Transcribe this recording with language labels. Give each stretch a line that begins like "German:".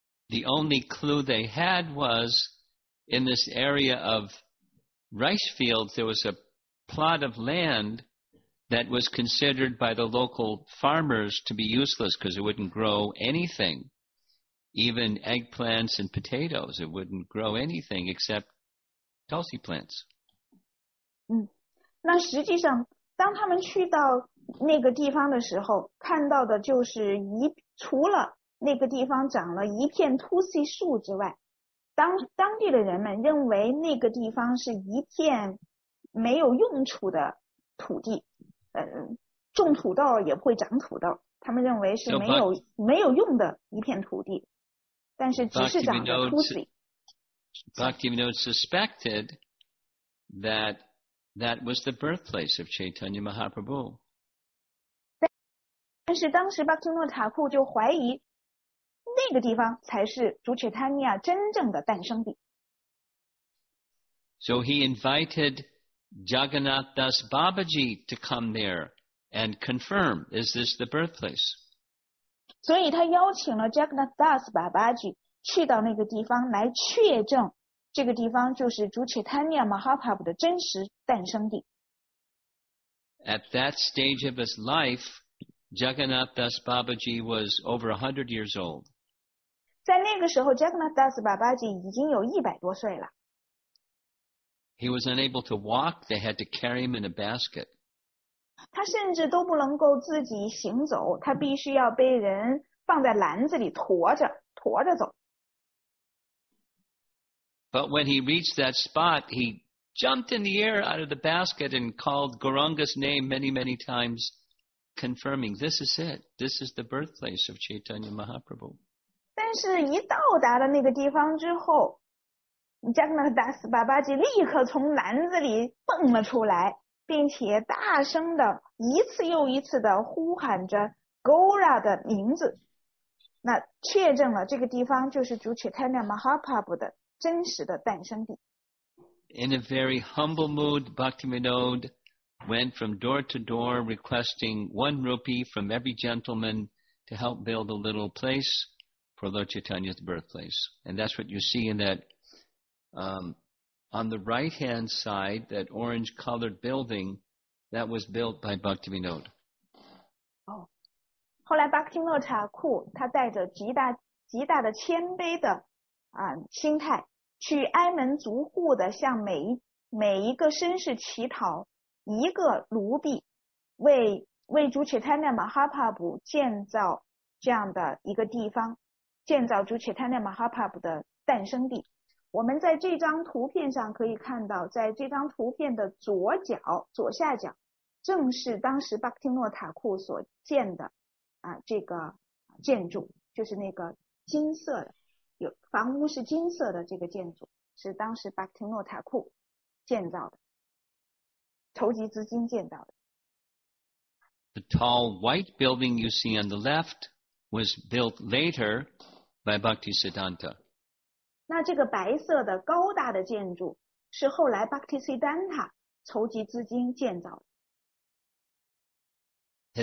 English: The only clue they had was in this area of rice fields, there was a plot of land that was considered by the local farmers to be useless because it wouldn't grow anything, even eggplants and potatoes. It wouldn't grow anything except tulsi plants.
Chinese: 那实际上当他们去到那个地方的时候看到的就是除了那个地方长了一片 tulsi 树之外当地的人们认为那个地方是一片没有用处的土地种土豆也不会长土豆他们认为是没有用的一片土地但是只是长了 tulsi
English: Bhaktivinoda suspected that was the birthplace of Chaitanya Mahaprabhu.
Chinese: 但是当时巴基诺塔库就怀疑那个地方才是主切坦尼亚真正的诞生地。
English: So he invited Jagannath Das Babaji to come there and confirm, is this the birthplace?
Chinese: 所以他邀请了 Jagannath Das Babaji 去到那个地方来确证这个地方就是主切坦尼亚马哈帕布的真实诞生地。
English: At that stage of his life, Jagannath Das Babaji was over 100 years old.
Chinese: 在那个时候 Jagannath Das Babaji 已经有100多岁了。
English: He was unable to walk, they had to carry him in a basket.
Chinese: 他甚至都不能够自己行走他必须要被人放在篮子里驮着走。
English: But when he reached that spot, he jumped in the air out of the basket and called Gauranga's name many, many times, confirming, this is it. This is the birthplace of Chaitanya Mahaprabhu.
Chinese: 但是一到达了那个地方之后 Jagannath Das Babaji 立刻从篮子里蹦了出来并且大声地一次又一次地呼喊着 Gaura 的名字那确证了这个地方就是主 Chaitanya Mahaprabhu 的真实的诞生地。
English: In a very humble mood, Bhaktivinoda went from door to door requesting 1 rupee from every gentleman to help build a little place for Lord Chaitanya's birthplace. And that's what you see in that, on the right-hand side, that orange-colored building that was built by Bhaktivinoda. Oh.
Chinese: 后来 Bhaktivinoda 塔库他带着极大的谦卑的心态去挨门逐户的向每一个绅士乞讨一个卢币为主切坦尼亚马哈帕布建造这样的一个地方建造主切坦尼亚马哈帕布的诞生地我们在这张图片上可以看到在这张图片的左下角正是当时巴克汀诺塔库所建的这个建筑就是那个金色的有房屋是金色的这个建筑是当时巴克汀诺塔库建造的筹集资金建造的
English: The tall white building you see on the left was built later by Bhaktisiddhanta
Chinese: 那这个白色的高大的建筑是后来 Bhaktisiddhanta 筹集资金建造的